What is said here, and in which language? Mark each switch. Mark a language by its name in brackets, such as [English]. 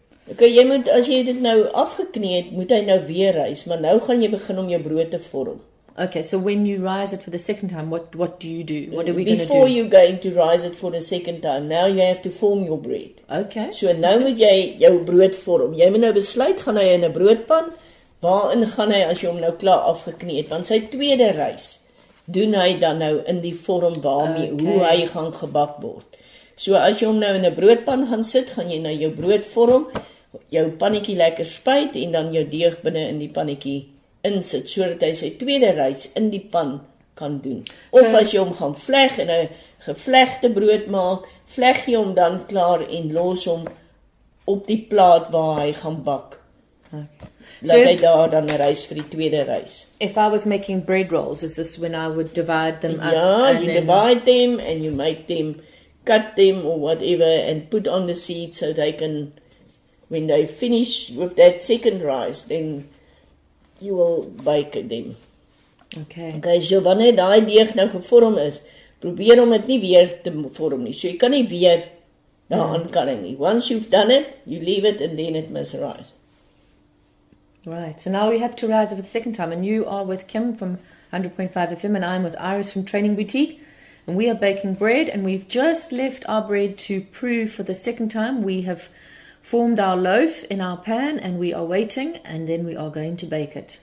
[Afrikaans] Okay, jy moet, as jy dit nou afgeknie het, moet hy nou weer rys, maar nou gaan jy begin om jou brood te vorm. [English] Okay, so when you rise it for the second time, what do you do? What are we going to do? Before you're going to rise it for the second time, now you have to form your bread. Okay. [Afrikaans] So nou moet jy jou brood vorm. Jy moet nou besluit, gaan hy in 'n broodpan, waarin gaan hy as jy hom nou klaar afgeknie het, want sy tweede rys doen hy dan nou in die vorm waarmee, okay, hoe hy gaan gebak word. So as jy hom nou in 'n broodpan gaan sit, gaan jy nou jou brood vorm, jou pannetjie lekker spuit en dan jou deeg binne in die pannetjie insit sodat hy sy tweede rys in die pan kan doen. Of so, as jy hom gaan vleg en 'n gevlegde brood maak, vleg jy hom dan klaar en los hom op die plaat waar hy gaan bak. Okay. Laat hy daar dan 'n rys vir die tweede rys. [English] If I was making bread rolls, is this when I would divide them up? Ja, you divide them and you make them, cut them or whatever and put on the seed so they can, when they finish with that second rise, then you will bake them. Okay. [Afrikaans] Okay, so wanneer daai deeg nou gevorm is, probeer om dit nie weer te vorm nie. So jy kan nie weer daaraan kan nie. [English] Once you've done it, you leave it and then it must rise. Right. So now we have to rise for the second time. And you are with Kim from 100.5 FM and I'm with Iris from Training Boutique. And we are baking bread and we've just left our bread to prove for the second time. We have formed our loaf in our pan and we are waiting and then we are going to bake it.